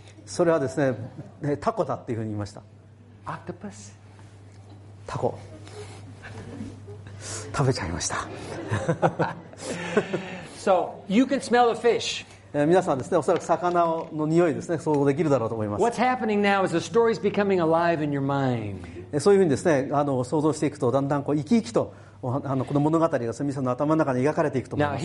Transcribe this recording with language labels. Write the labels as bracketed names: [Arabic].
[Japanese] それはですね、タコだっていうふうに言いました。 [English] Octopus? [Japanese] タコ。食べちゃいました。 [English] So, you can smell the fish. [Japanese] 皆さんですね、おそらく魚の匂いですね、想像できるだろうと思います。 [English] What's happening now is the story's becoming alive in your mind. [Japanese] そういうふうにですね、想像していくと、だんだんこう生き生きと、この物語がセミさんの頭の中に描かれていくと思います。